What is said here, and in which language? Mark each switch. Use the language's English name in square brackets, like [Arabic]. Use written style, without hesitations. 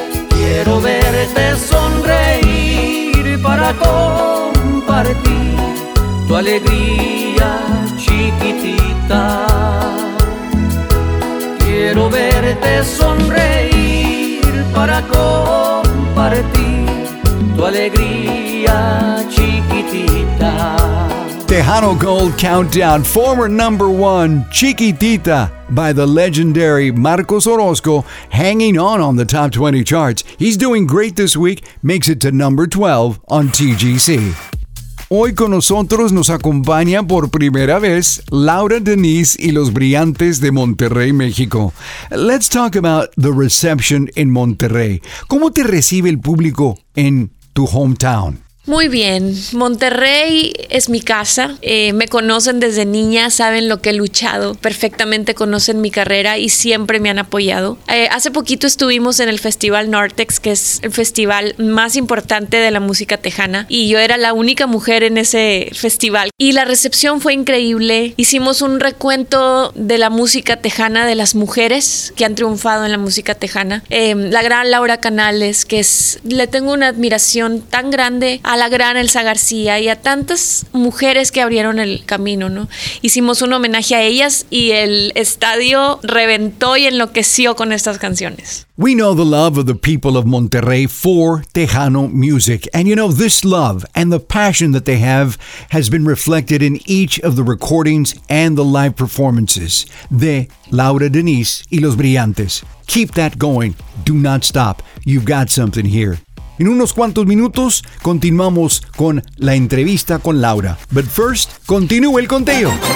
[Spanish] Quiero verte sonreír para compartir tu alegría, chiquitita. Quiero verte sonreír para compartir tu alegría, chiquitita. [English] Tejano Gold Countdown, former number one, Chiquitita, by the legendary Marcos Orozco, hanging on the top 20 charts. He's doing great this week, makes it to number 12 on TGC. [Spanish] Hoy con nosotros nos acompañan por primera vez Laura Denise y los Brillantes de Monterrey, México. [English] Let's talk about the reception in Monterrey. [Spanish] ¿Cómo te recibe el público en tu hometown? Muy bien. Monterrey es mi casa. Me conocen desde niña, saben lo que he luchado, perfectamente conocen mi carrera y siempre me han apoyado. Hace poquito estuvimos en el Festival Nortex, que es el festival más importante de la música tejana, y yo era la única mujer en ese festival. Y la recepción fue increíble. Hicimos un recuento de la música tejana, de las mujeres que han triunfado en la música tejana. La gran Laura Canales, que es, le tengo una admiración tan grande, a la gran Elsa García y a tantas mujeres que abrieron el camino, ¿no? Hicimos un homenaje a ellas y el estadio reventó y enloqueció con estas canciones. [English] We know the love of the people of Monterrey for Tejano music. And you know, this love and the passion that they have has been reflected in each of the recordings and the live performances de Laura Denise y Los Brillantes. Keep that going. Do not stop. You've got something here. [Spanish] En unos cuantos minutos, continuamos con la entrevista con Laura. [English] But first, [Spanish] continúa el conteo.